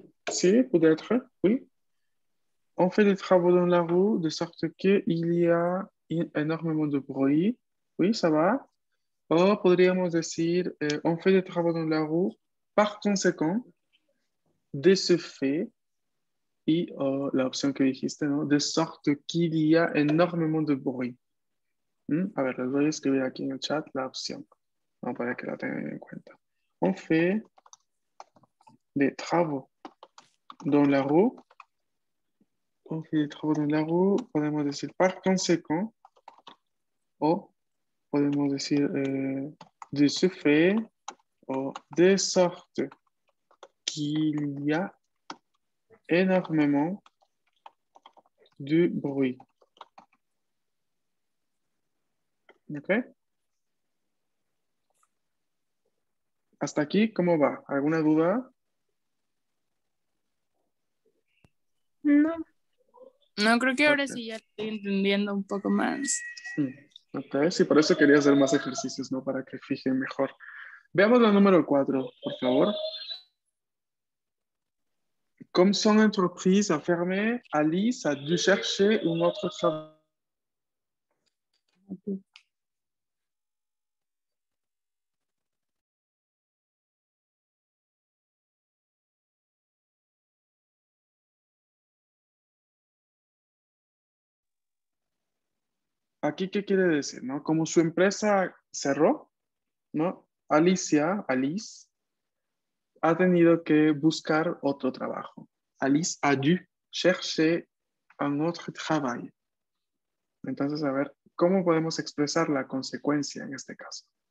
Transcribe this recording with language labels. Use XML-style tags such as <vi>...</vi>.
<fr>Si, peut-être, oui. On fait des travaux dans la roue de sorte qu'il y a énormément de bruit. Oui, ça va. Ou</fr> <es>podríamos decir,</es> <fr>on fait des travaux dans la roue, par conséquent, de ce fait.</fr> <es>Y la opción que dijiste, ¿no?</es> <fr>De sorte qu'il y a énormément de bruit.</fr> <es>A ver, les voy a escribir aquí en el chat la opción, ¿no? Para que la tengan en cuenta.</es> <fr>On fait des travaux dans la rue. On fait des travaux dans la rue,</fr> <es>podemos decir</es> <fr>par conséquent.</fr> <es>O podemos decir</es> <fr>de ce fait. O de sorte qu'il y a énormément de bruit.</fr> <es>¿Ok? Hasta aquí, ¿cómo va? ¿Alguna duda? No, no creo que Ok. ahora sí ya estoy entendiendo un poco más. Ok, sí, por eso quería hacer más ejercicios, ¿no? Para que fijen mejor. Veamos la número 4, por favor.</es> <fr>Comme son entreprise a fermé, Alice a dû chercher un autre travail.</fr> <es>Aquí, ¿qué quiere decir, no? Como su empresa cerró, ¿no? Alice ha tenido que buscar otro trabajo.</es> <fr>Alice a dû chercher un autre travail.</fr> <es>Entonces, a ver, ¿cómo podemos expresar la consecuencia en este caso?</es>